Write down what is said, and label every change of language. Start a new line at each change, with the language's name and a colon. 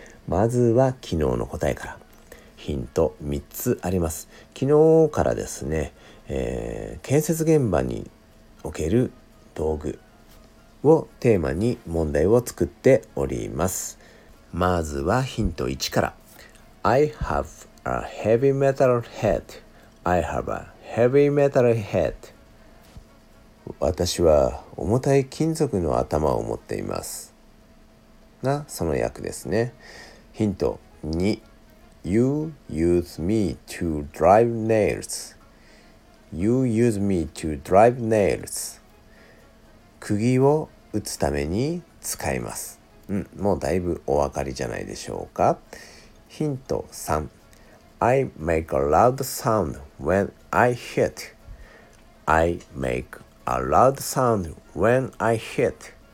Japanese: まずは昨日の答えから。ヒント3つあります。昨日からですね、建設現場における道具をテーマに問題を作っております。まずはヒント1から。
English: I have a heavy metal head. I have a heavy metal head.
Japanese: 私は重たい金属の頭を持っています、がその訳ですね。ヒント2。
English: You use me to drive nails. You use me to drive nails.
Japanese: 釘を打つために使います。もうだいぶお分かりじゃないでしょうか。ヒント3。
English: I make a loud sound when I hit. I make a loud sound when I hit.